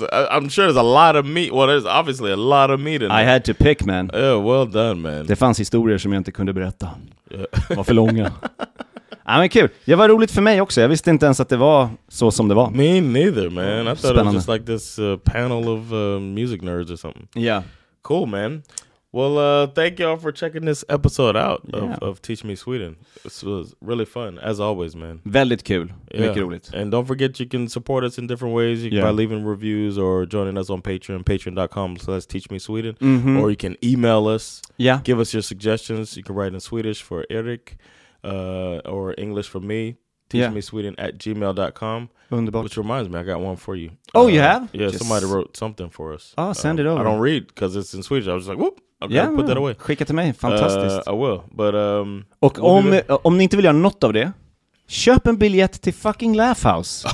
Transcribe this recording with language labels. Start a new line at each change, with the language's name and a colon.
English: I'm sure there's a lot of meat. Well, there's obviously a lot of meat in there. I had to pick, man. Yeah, well done, man.
Swedish: Det fanns historier som jag inte kunde berätta. Yeah. Var för långa. Ja, men kul. Det var roligt för mig också. Jag visste inte ens att det var så som det var.
English: Me neither, man. I thought it was just like this panel of music nerds or something. Yeah. Cool, man. Well, thank y'all for checking this episode out of Teach Me Sweden. This was really fun, as always, man.
Swedish: Väldigt kul. Yeah. Mycket roligt.
English: And don't forget, you can support us in different ways. You can by leaving reviews or joining us on Patreon, patreon.com/teachmesweden. Mm-hmm. Or you can email us. Yeah. Give us your suggestions. You can write in Swedish for Eric or English for me. TeachMeSweden@gmail.com.
Swedish: Underbar.
English: Which reminds me, I got one for you. Oh, you have? Yeah, just... somebody wrote something for us. Oh, send it over. I don't read because it's in Swedish. I was just like, whoop. Okay, yeah, put that away.
Swedish: Skicka till mig. Fantastiskt.
English: I will. But,
Swedish: och we'll om ni inte vill göra något av det, köp en biljett till fucking Laugh House.